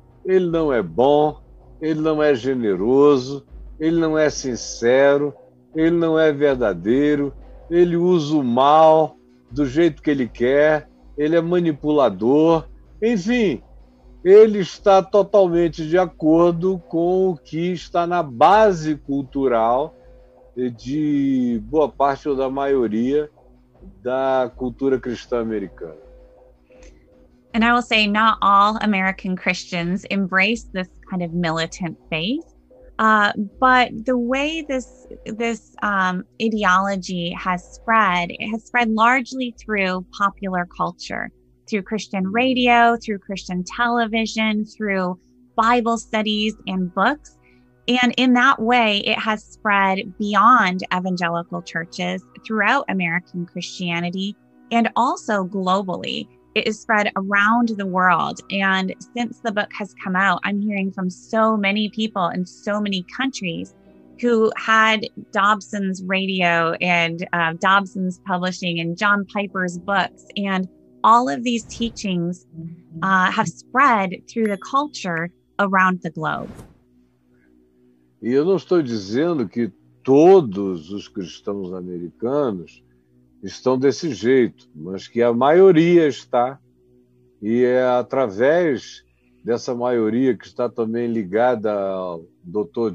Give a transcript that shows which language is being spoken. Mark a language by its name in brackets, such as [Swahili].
[Portuguese] Ele não é bom, ele não é generoso, ele não é sincero, ele não é verdadeiro, ele usa o mal do jeito que ele quer, ele é manipulador, enfim, ele está totalmente de acordo com o que está na base cultural de boa parte ou da maioria da cultura cristã americana. [English] And I will say not all American Christians embrace this kind of militant faith, but the way this ideology has spread largely through popular culture, through Christian radio, through Christian television, through Bible studies and books. And in that way, it has spread beyond evangelical churches throughout American Christianity and also globally. It is spread around the world. And since the book has come out, I'm hearing from so many people in so many countries who had Dobson's radio and Dobson's publishing and John Piper's books. And all of these teachings have spread through the culture around the globe. [Portuguese] E eu não estou dizendo que todos os cristãos americanos estão desse jeito, mas que a maioria está, e é através dessa maioria que está também ligada ao Dr.